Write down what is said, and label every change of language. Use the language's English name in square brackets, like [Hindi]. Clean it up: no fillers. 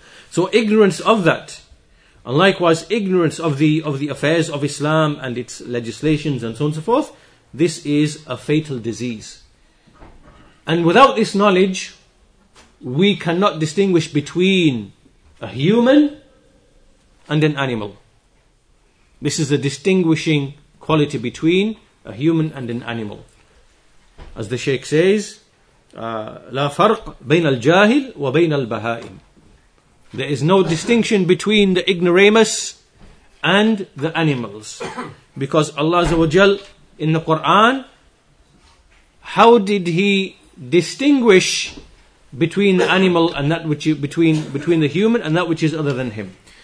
[English] So ignorance of that, and likewise ignorance of the affairs of Islam and its legislations and so on and so forth, this is a fatal disease. And without this knowledge, we cannot distinguish between a human and an animal. This is the distinguishing quality between a human and an animal. As the Sheikh says, [Arabic] لا فرق بين الجاهل وبين البهائم. [English] There is no distinction between the ignoramus and the animals. Because Allah Azza wa Jal in the Quran, how did He distinguish between the animal and that which is between the human and that which is other than him?